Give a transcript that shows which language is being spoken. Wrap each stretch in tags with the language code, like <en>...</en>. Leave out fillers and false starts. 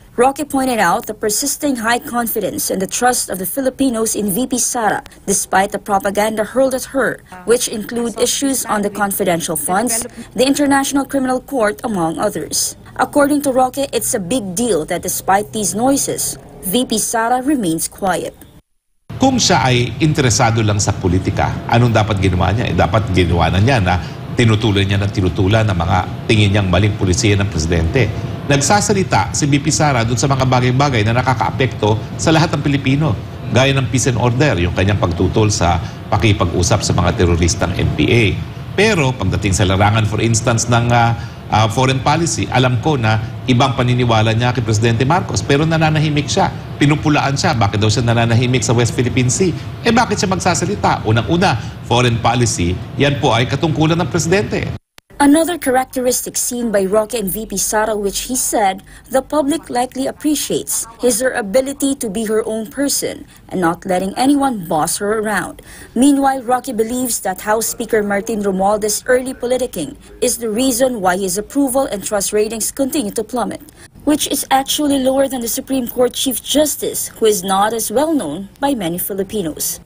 <en>Roque pointed out the persisting high confidence and the trust of the Filipinos in VP Sara despite the propaganda hurled at her, which include issues on the confidential funds, the International Criminal Court, among others. According to Roque, it's a big deal that despite these noises, VP Sara remains quiet.</en> <tl>Kung siya ay interesado lang sa politika, anong dapat ginawa niya? Dapat ginawa na niya na tinutulan niya ng tinutulan ng mga tingin niyang maling pulisiya ng presidente. Nagsasalita si BP Sara doon sa mga bagay-bagay na nakakaapekto sa lahat ng Pilipino. Gaya ng peace and order, yung kanyang pagtutol sa pakipag-usap sa mga teroristang NPA. Pero pagdating sa larangan,</tl> <en>for instance,</en> <tl>ng foreign policy, alam ko na ibang paniniwala niya kay Presidente Marcos, pero nananahimik siya. Pinupulaan siya. Bakit daw siya nananahimik sa West Philippine Sea? Eh bakit siya magsasalita? Unang-una, foreign policy, yan po ay katungkulan ng Presidente.</tl> <en>Another characteristic seen by Roque and VP Sara, which he said the public likely appreciates, is her ability to be her own person and not letting anyone boss her around. Meanwhile, Roque believes that House Speaker Martin Romualde's early politicking is the reason why his approval and trust ratings continue to plummet, which is actually lower than the Supreme Court Chief Justice, who is not as well known by many Filipinos.</en>